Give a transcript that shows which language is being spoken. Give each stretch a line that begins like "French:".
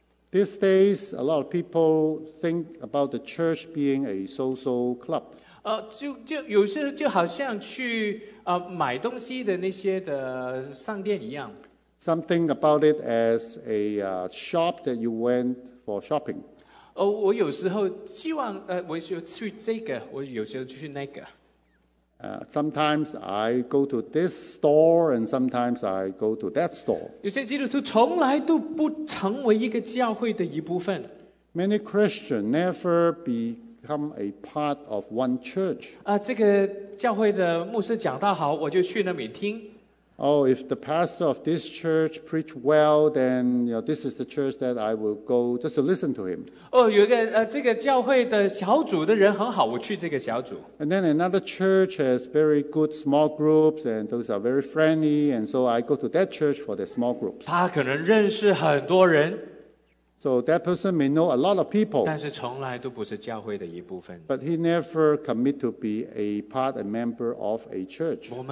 English: These days, a lot of people think about the church being a social club.
Chinese: 就有些就好像去买东西的那些的商店一样。
English: Something about it as a shop that you went for shopping.
Chinese: 我有时候希望我就去这个，我有时候去那个。
English: Sometimes I go to this store and sometimes I go to that store.
Chinese: 有些基督徒从来都不成为一个教会的一部分。
English: Many Christians never become a part of one church.
Chinese: 这个教会的牧师讲到好, 我就去那边听。
English: Oh, if the pastor of this church preach well, then you know, this is the church that I will go just to listen to him.
Chinese: 有一个这个教会的小组的人很好，我去这个小组。
English: And then another church has very good small groups, and those are very friendly, and so I go to that church for their small groups.
Chinese: 他可能认识很多人。
English: So that person may know a lot of people.
Chinese: 但是从来都不是教会的一部分。
English: But he never commit to be a part, a member of a church.